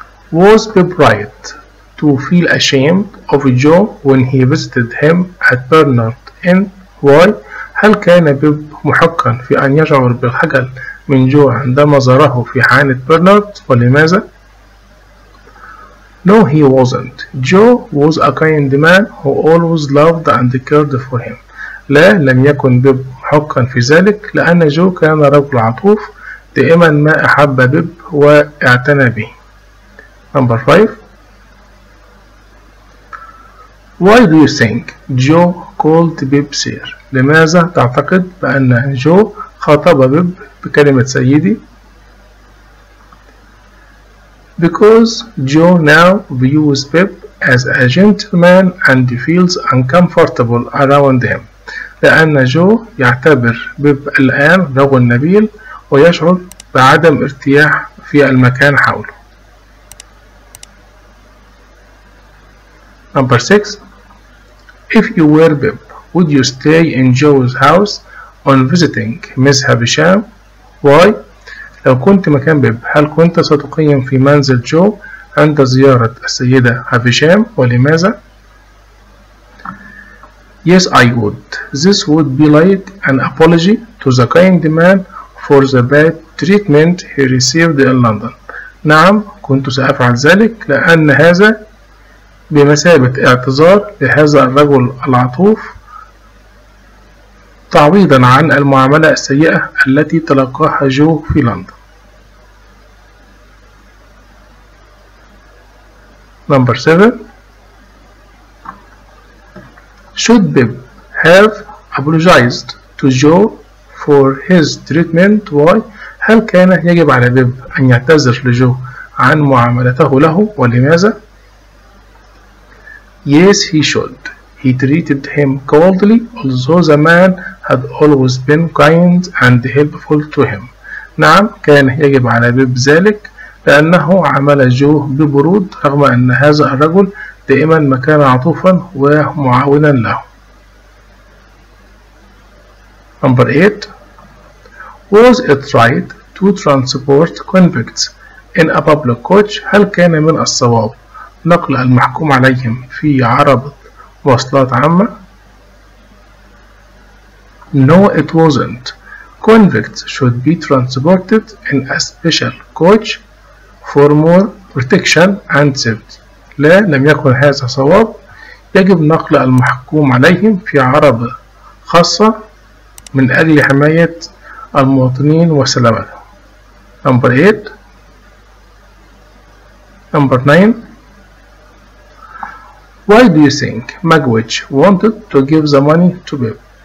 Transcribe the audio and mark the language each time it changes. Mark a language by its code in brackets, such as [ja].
[en] Was Pip right to feel ashamed of Joe when he visited him at Bernard Inn? Why? [ar] هل كان بيب محقا في أن يشعر بالخجل من جو عندما زاره في حانة برنارد، ولماذا؟ [en] No, he wasn't. Joe was a kind man who always loved and cared for him. [ar] لا، لم يكن بيب محقا في ذلك، لأن جو كان رجل عطوف دائما ما أحب بيب واعتنى به. [en] Number 5. Why do you think Joe called Pip sir? [ar] لماذا تعتقد بأن جو خاطب بيب بكلمة سيدي؟ [en] Because Joe now views Pip as a gentleman and feels uncomfortable around him. [ar] لأن جو يعتبر بيب الآن رجل نبيل ويشعر بعدم ارتياح في المكان حوله. [en] Number 6. If you were Pip, would you stay in Joe's house on visiting Miss Havisham? Why? [ar] لو كنت مكان بيب، هل كنت ستقيم في منزل جو عند زيارة السيدة هافيشام، ولماذا؟ [en] Yes, I would. This would be like an apology to the kind man for the bad treatment he received in London. [ar] نعم، كنت سأفعل ذلك، لأن هذا بمثابة اعتذار لهذا الرجل العطوف تعويضا عن المعاملة السيئة التي تلقاها جو في لندن. [en] Number 7. Should Pip have apologized to Joe for his treatment? Why? [ar] هل كان يجب على بيب أن يعتذر لجو عن معاملته له، ولماذا؟ [en] Yes, he should. He treated him coldly, although the man had always been kind and helpful to him. [ar] نعم، كان يجب على بيب ذلك، لأنه عمل جو ببرود رغم أن هذا الرجل دائما ما كان عطوفا ومعاونا له. [en] Number 8. Was it right to transport convicts in a public coach? [ar] هل كان من الصواب نقل المحكوم عليهم في عربة مواصلات عامة؟ [en] No, it wasn't. Convicts should be transported in a special coach for more protection and safety. [ar] لا، لم يكن هذا صواب. يجب نقل المحكوم عليهم في عربة خاصة من أجل حماية المواطنين وسلامتهم. [en] Number 8. Number 9. Why do you think Magwitch wanted to give the money to Bib?